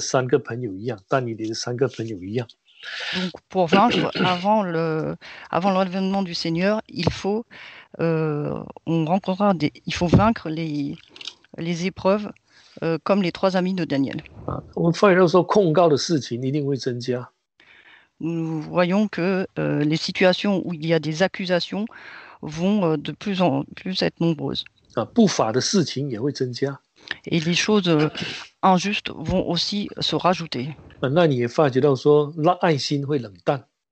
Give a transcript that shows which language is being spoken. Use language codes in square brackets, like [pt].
[zh] 所以要得胜哦，最后，发觉到说，主耶稣要来之前哦，所面对的考验，我们要得胜的话，一定要好像他这三个朋友一样，但你的三个朋友一样。 [fr] Donc pour vaincre avant l'avènement du Seigneur, il faut on rencontrera des il faut vaincre les épreuves comme les trois amis de Daniel. [zh] 我们发现到说，控告的事情一定会增加。 [fr] Nous voyons que les situations où il y a des accusations vont de plus en plus être nombreuses. [zh] Ah，不法的事情也会增加。 [fr] Et les choses injustes vont aussi se rajouter. [zh] Ah，那你也发觉到说，那爱心会冷淡。